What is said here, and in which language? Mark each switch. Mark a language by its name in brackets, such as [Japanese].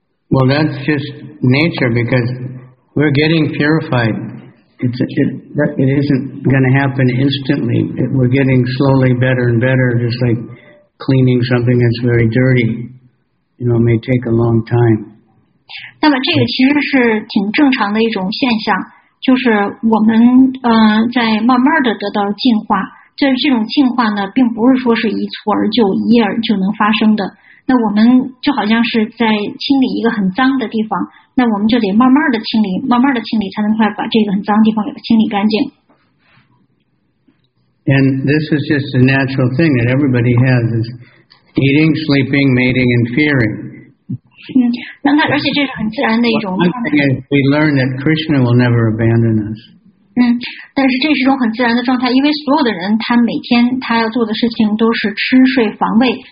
[English] Well, that's just nature, because we're getting purified. It isn't going to happen instantly. We're getting slowly better and better, just like cleaning something that's very dirty. You know, it may take a long time. [Chinese] 那么这个其实是挺正常的一种现象，就是我们在慢慢的得到进化。就是这种进化呢，并不是说是一蹴而就、一夜就能发生的。那我们就好像是在清理一个很脏的地方，那我们就得慢慢的清理，慢慢的清理，才能快把这个很脏的地方给它清理干净。 [English] And this is just a natural thing that everybody has: is eating, sleeping, mating, and fearing. [Chinese] 嗯，那而且这是很自然的一种。 [English] One thing is we learn that Krishna will never abandon us. [Chinese] 嗯，但是这是一种很自然的状态，因为所有的人他每天他要做的事情都是吃睡防卫。